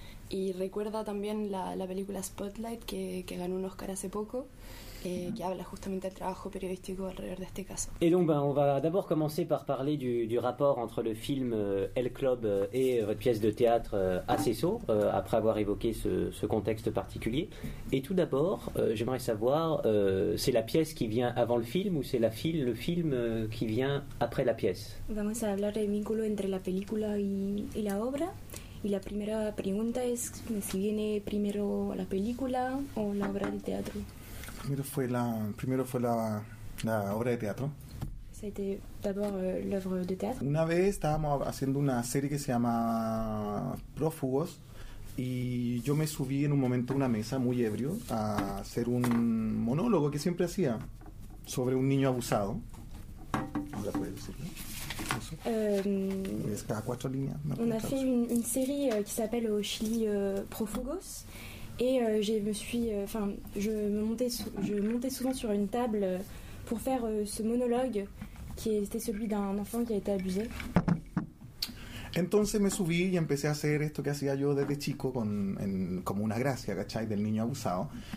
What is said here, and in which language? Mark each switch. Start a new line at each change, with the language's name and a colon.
Spanish: Y recuerda también la película Spotlight, que ganó un Oscar hace poco,
French: qui habla justement du travail périodistique autour de ce cas. Et donc, on va d'abord commencer par parler du rapport entre le film El Club et votre pièce de théâtre à Cesso, après avoir évoqué ce contexte particulier. Et tout d'abord, j'aimerais savoir, c'est la pièce qui vient avant le film ou c'est le film qui vient après la pièce?
Spanish: Vamos a hablar del vínculo entre la película y la obra. Y la primera pregunta es si viene primero la película o la obra de teatro. Primero fue la obra de teatro.
French: C'était d'abord l'œuvre de théâtre.
Spanish: Una vez estábamos haciendo una serie que se llama Prófugos y yo me subí en un momento a una mesa muy ebrio a hacer un monólogo que siempre hacía sobre un niño abusado. Ahora puedes decirlo. Es cada cuatro líneas.
French: On a fait une série qui s'appelle Au Chili Profugos. Et je montais souvent sur une table pour faire ce monologue qui était celui d'un enfant qui a été abusé.
Spanish: Entonces me subí y empecé a hacer esto que hacía yo desde chico con como una gracia, ¿cachai?, del niño abusado.